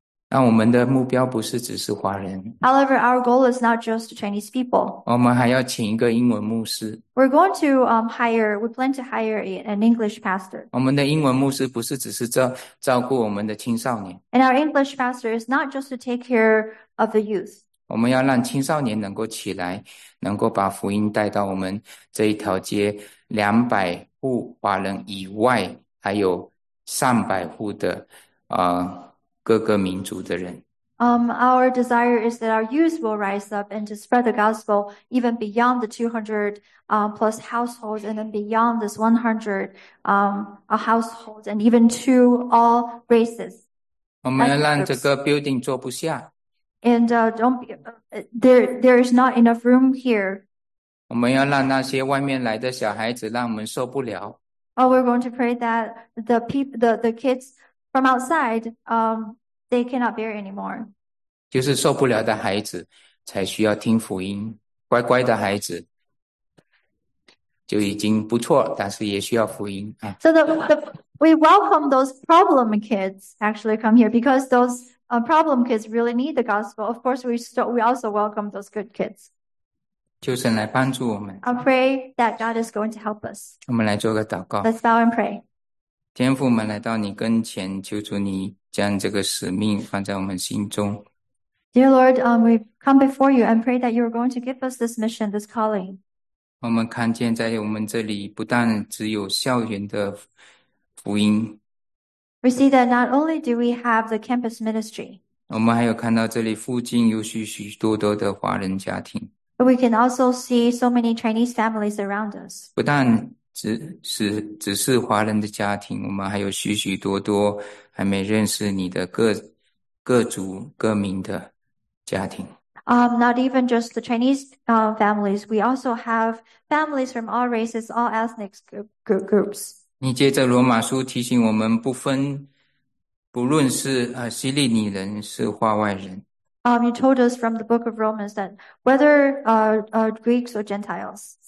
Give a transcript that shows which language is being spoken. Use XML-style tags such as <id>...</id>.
<zh>那我们的目标不是只是华人，</zh> <en>However, our goal is not just Chinese people.</en> <zh>我们还要请一个英文牧师。</zh> <en>We plan to hire an English pastor.</en> <zh>我们的英文牧师不是只是照顾我们的青少年，</zh> <en>And our English pastor is not just to take care of the youth.</en> <zh>我们要让青少年能够起来，能够把福音带到我们这一条街200户华人以外，还有300户的各个民族的人。</zh> <en>Our desire is that our youth will rise up and to spread the gospel even beyond the 200 plus households and then beyond this 100 households and even to all races.</en> <zh>我们要让这个 building 坐不下。</zh> <en>There is not enough room here.</en> <zh>我们要让那些外面来的小孩子，让我们受不了。</zh> <en>We're going to pray that the kids from outside, they cannot bear anymore.</en> <zh>就是受不了的孩子才需要听福音，乖乖的孩子就已经不错，但是也需要福音啊。</zh> <en>So we welcome those problem kids actually come here because those problem kids really need the gospel. Of course, we also welcome those good kids.</en> <zh>求神来帮助我们。</zh> <en>I pray that God is going to help us.</en> <zh>我们来做个祷告。</zh> <en>Let's bow and pray.</en> <zh>天父，我们来到你跟前，求主你将这个使命放在我们心中。</zh> <en>Dear Lord, we've come before you and pray that you are going to give us this mission, this calling.</en> <zh>我们看见，在我们这里，不但只有校园的福音，</zh> <en>We see that not only do we have the campus ministry,</en> <zh>我们还有看到这里附近有许多的华人家庭。</zh> <en>but we can also see so many Chinese families around us.</en> <zh>不但只是华人的家庭，我们还有许多还没认识你的各族各民的家庭。</zh> <en>Not even just the Chinese families. We also have families from all races, all ethnic groups.</en> <zh>你借着罗马书提醒我们，不论是希利尼人，是化外人。</zh> <en>You told us from the book of Romans that whether Greeks or Gentiles,</en>